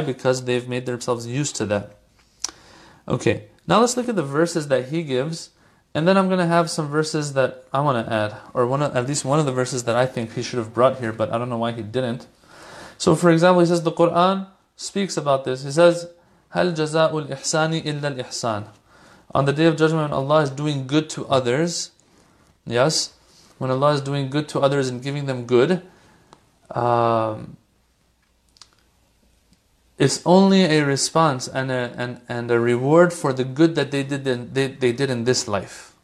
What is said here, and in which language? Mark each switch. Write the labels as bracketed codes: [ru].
[en] Because they've made themselves used to that. Okay, now let's look at the verses that he gives. And then I'm going to have some verses that I want to add, or at least one of the verses that I think he should have brought here, but I don't know why he didn't. So for example, he says the Quran speaks about this. He says, [ar] هَلْ جَزَاءُ الْإِحْسَانِ إِلَّا الْإِحْسَانِ. [en] On the day of judgment, Allah is doing good to others. Yes, when Allah is doing good to others and giving them good, it's only a response and a reward for the good that they did in this life.